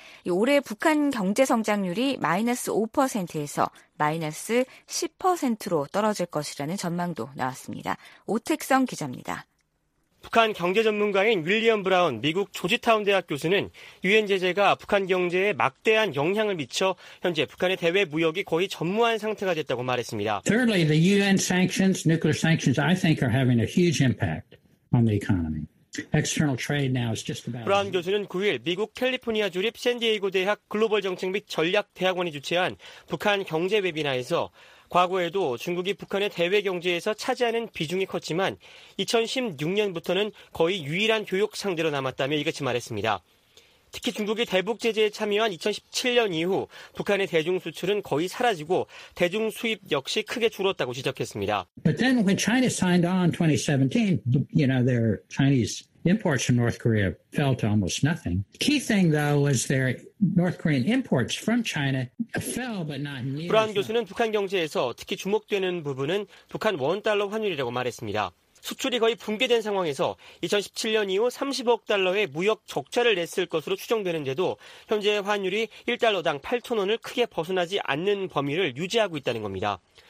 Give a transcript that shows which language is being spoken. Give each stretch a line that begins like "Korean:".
Korean: 올해 북한 경제 성장률이 -5%에서 -10%로 떨어질 것이라는 전망도 나왔습니다. 오택성 기자입니다. 북한 경제 전문가인 윌리엄 브라운 미국 조지타운 대학 교수는 유엔 제재가 북한 경제에 막대한 영향을 미쳐 현재 북한의 대외 무역이 거의 전무한 상태가 됐다고 말했습니다.
English: Thirdly, the UN sanctions, nuclear sanctions, I think are having a huge impact on the economy. External trade now is just about.
Korean: 브라운 교수는 9일 미국 캘리포니아 주립 샌디에이고 대학 글로벌 정책 및 전략 대학원이 주최한 북한 경제 웨비나에서 과거에도 중국이 북한의 대외 경제에서 차지하는 비중이 컸지만 2016년부터는 거의 유일한 교역 상대로 남았다며 이같이 말했습니다. 특히 중국이 대북 제재에 참여한 2017년 이후 북한의 대중 수출은 거의 사라지고 대중 수입 역시 크게 줄었다고 지적했습니다.
English: But then when China signed on 2017, you know, their Chinese imports from North Korea fell to almost nothing. Key thing though was their North Korean imports from China fell but not nearly.
Korean: 브라운 교수는 북한 경제에서 특히 주목되는 부분은 북한 원달러 환율이라고 말했습니다. 수출이 거의 붕괴된 상황에서 2017년 이후 30억 달러의 무역 적자를 냈을 것으로 추정되는데도 현재 환율이 1달러당 8,000원을 크게 벗어나지 않는 범위를 유지하고 있다는 겁니다.